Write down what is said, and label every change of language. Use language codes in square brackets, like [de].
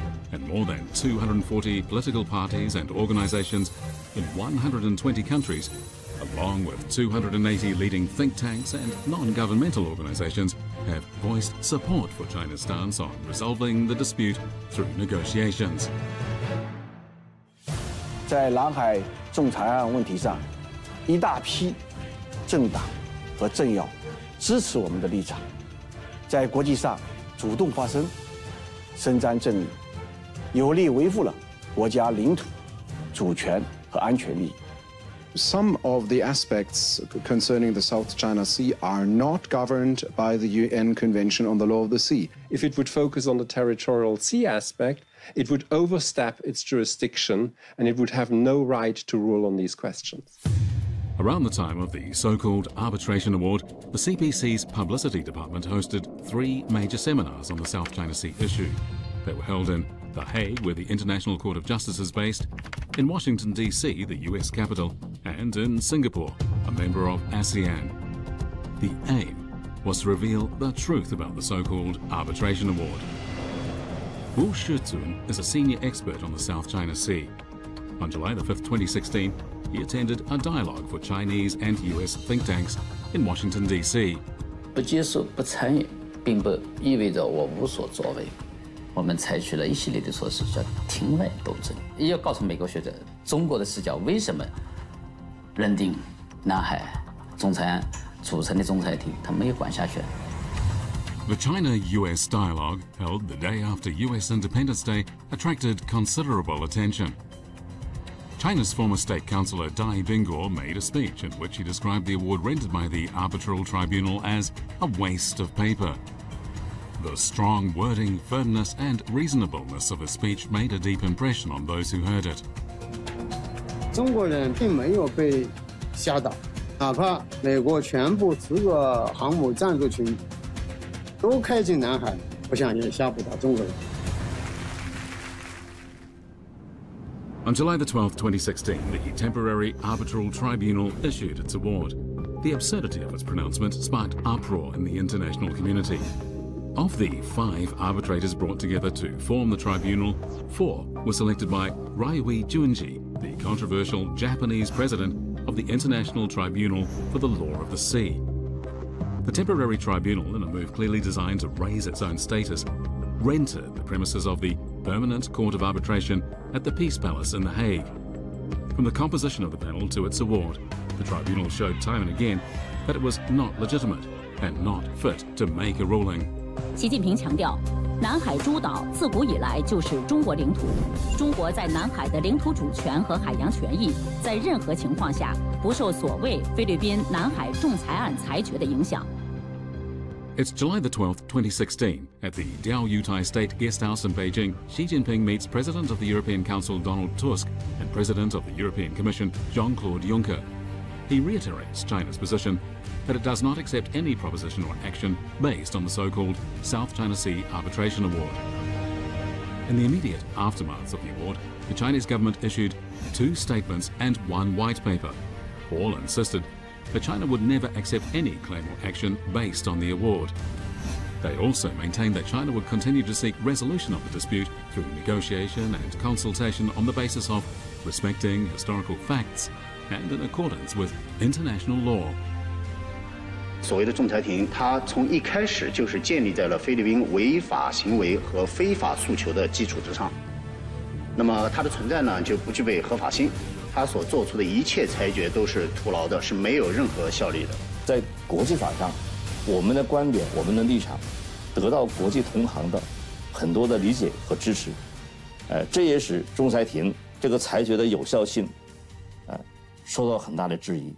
[en] And more than 240 political parties and organizations in 120 countries, along with 280 leading think tanks and non-governmental organizations, have voiced support for China's stance on resolving the dispute through negotiations. [zh] 在南海仲裁案问题上，一大批政党和政要支持我们的立场，在国际上主动发声，伸张正义，有力维护了国家领土主权和安全利益。 [en] Some of the aspects concerning the South China Sea are not governed by the UN Convention on the Law of the Sea. If it would focus on the territorial sea aspect, it would overstep its jurisdiction and it would have no right to rule on these questions. Around the time of the so-called arbitration award, the CPC's publicity department hosted three major seminars on the South China Sea issue. They were held in The Hague, where the International Court of Justice is based, in Washington, D.C., the U.S. capital, and in Singapore, a member of ASEAN. The aim was to reveal the truth about the so-called arbitration award. Wu Shutun is a senior expert on the South China Sea. On July the 5th, 2016, he attended a dialogue for Chinese and U.S. think tanks in Washington, D.C. [zh] 不接受、不参与，并不意味着我无所作为。我们采取了一系列的措施，叫庭外斗争，也要告诉美国学者，中国的视角为什么认定南海仲裁案组成的仲裁庭它没有管辖权。 [en] The China-U.S. dialogue held the day after U.S. Independence Day attracted considerable attention. China's former State Councilor Dai Bingor made a speech in which he described the award rendered by the arbitral tribunal as a waste of paper. The strong wording, firmness, and reasonableness of his speech made a deep impression on those who heard it. [zh] 中国人并没有被吓倒，哪怕美国全部十个航母战斗群都开进南海，我想也吓不倒中国人。 [en] On July the 12th, 2016, the temporary arbitral tribunal issued its award. The absurdity of its pronouncement sparked uproar in the international community. Of the five arbitrators brought together to form the tribunal, four were selected by Ryuichi Junji, the controversial Japanese president of the International Tribunal for the Law of the Sea. The temporary tribunal, in a move clearly designed to raise its own status, rented the premises of the Permanent Court of Arbitration at the Peace Palace in The Hague. From the composition of the panel to its award, the tribunal showed time and again that it was not legitimate and not fit to make a ruling. [zh] 习近平强调，南海诸岛自古以来就是中国领土，中国在南海的领土主权和海洋权益在任何情况下不受所谓菲律宾南海仲裁案裁决的影响。 [en] It's July the 12th, 2016. At the Diao Yutai State Guest House in Beijing, Xi Jinping meets President of the European Council Donald Tusk and President of the European Commission Jean-Claude Juncker. He reiterates China's position that it does not accept any proposition or action based on the so-called South China Sea Arbitration Award. In the immediate aftermath of the award, the Chinese government issued two statements and one white paper. All insisted that China would never accept any claim or action based on the award. They also maintained that China would continue to seek resolution of the dispute through negotiation and consultation on the basis of respecting historical facts and in accordance with international law. [zh] 所谓的仲裁庭，它从一开始就是建立在了菲律宾违法行为和非法诉求的基础之上。那么它的存在呢，就不具备合法性。他所做出的一切裁决都是徒劳的，是没有任何效力的。在国际法上，我们的观点、我们的立场，得到国际同行的很多的理解和支持，这也使仲裁庭这个裁决的有效性，受到很大的质疑。